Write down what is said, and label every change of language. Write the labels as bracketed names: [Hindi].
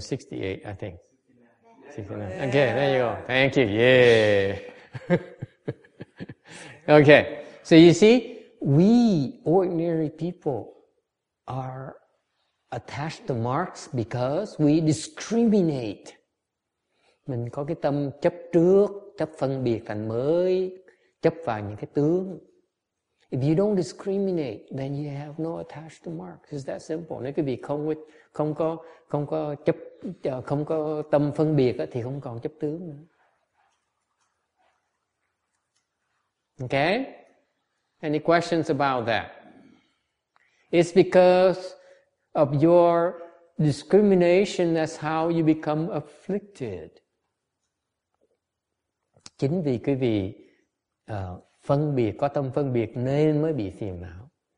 [English] 68, I think. 69. Okay, there you go. Thank you. Yay. Okay. So you see? We ordinary people are attached to marks because we discriminate. [Vietnamese] Mình có cái tâm chấp trước, chấp phân biệt thành mới, chấp vào những cái tướng. [English] If you don't discriminate, then you have no attached mark. It's that simple. [Vietnamese] Nếu quý vị không [English] with [Vietnamese] không có không có chấp không có tâm phân biệt thì không còn chấp tướng nữa. [English] Okay? Any questions about that? It's because of your discrimination that's how you become afflicted. [Vietnamese] Chính vì quý vị phân biệt, có tâm phân biệt nên mới bị phiền não.